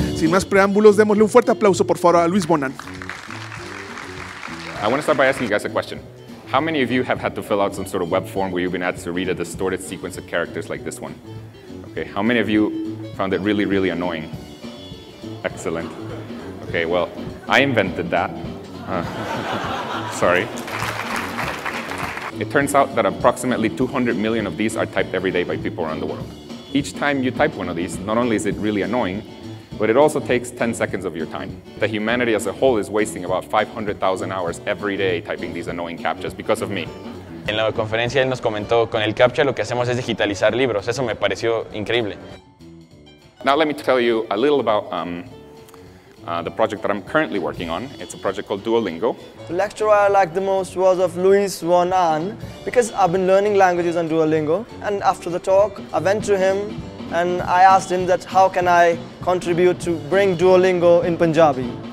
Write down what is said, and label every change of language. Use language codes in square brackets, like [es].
[es] Más preámbulos, démosle un fuerte aplauso, por favor, a Luis Bonan. [en] I want to start by asking you guys a question. How many of you have had to fill out some sort of web form where you've been asked to read a distorted sequence of characters like this one? Okay, how many of you found it really, really annoying? Excellent. Okay, well, I invented that. Sorry. It turns out that approximately 200 million of these are typed every day by people around the world. Each time you type one of these, not only is it really annoying, but it also takes 10 seconds of your time. The humanity as a whole is wasting about 500,000 hours every day typing these annoying captchas because of me. [es] En la conferencia él nos comentó, con el captcha lo que hacemos es digitalizar libros. Eso me pareció increíble. [en] Now let me tell you a little about the project that I'm currently working on. It's a project called Duolingo. The lecture I liked the most was of Luis Wonan because I've been learning languages on Duolingo. And after the talk, I went to him and I asked him that how can I contribute to bring Duolingo in Punjabi.